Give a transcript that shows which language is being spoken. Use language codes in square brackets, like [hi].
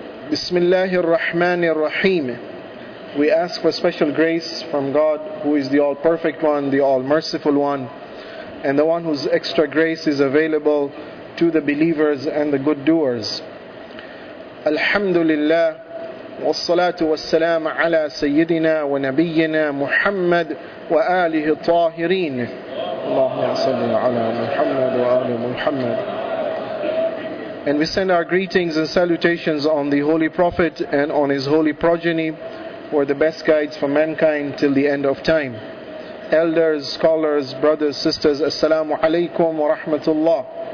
[en] Bismillahir Rahmanir Rahim. We ask for special grace from God, who is the all-perfect one, the all-merciful one, and the one whose extra grace is available to the believers and the good doers. Alhamdulillah. [ar] والصلاة والسلام على سيدنا ونبينا محمد وآله الطاهرين اللهم صل على محمد وآل محمد. [en] And we send our greetings and salutations on the Holy Prophet and on his holy progeny, who are the best guides for mankind till the end of time. Elders, scholars, brothers, sisters, assalamu alaykum wa rahmatullah.